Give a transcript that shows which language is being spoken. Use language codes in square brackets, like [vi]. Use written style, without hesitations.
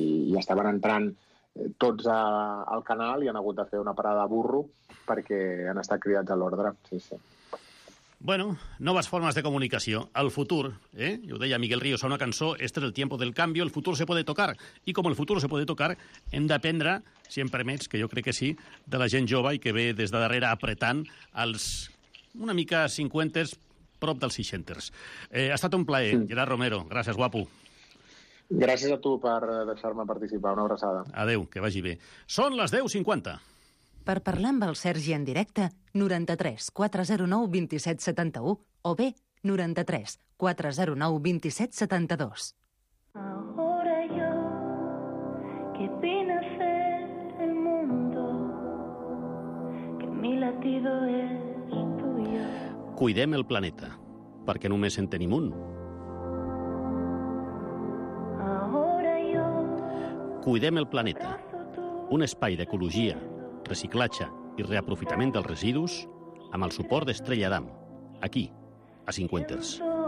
[ca] I estaven entrant tots al canal i han hagut de fer una parada de burro perquè han estat criats a l'ordre. Sí, sí. Bueno, noves formes de comunicació. El futur, ¿eh? [es] Yo [ca] deia [es] Miguel Ríos [ca] a una cançó, [es] este es el tiempo del cambio, [ca] el futur [es] se puede tocar. [ca] I com el futur [es] se puede tocar, [ca] hem d'aprendre, si em permets, que jo crec que sí, de la gent jove i que ve des de darrere apretant als una mica 50ers, prop dels 60ers. Ha estat un plaer, sí. Gerard Romero. Gràcies, guapo. Gràcies a tu per deixar-me participar. Una abraçada. Adéu, que vagi bé. Són les 10:50. Per parlar amb el Sergi en directe, 93 409 2771 o bé 93 409 2772. [es] Ahora yo, que vine a ser el mundo, que mi latido es tuyo. [ca] Cuidem el planeta, perquè només en tenim un. [es] Ahora yo, [ca] cuidem el planeta, un espai d'ecologia, reciclatge i reaprofitament dels residus amb el suport d'Estrella Damm, aquí, a Cinquenters.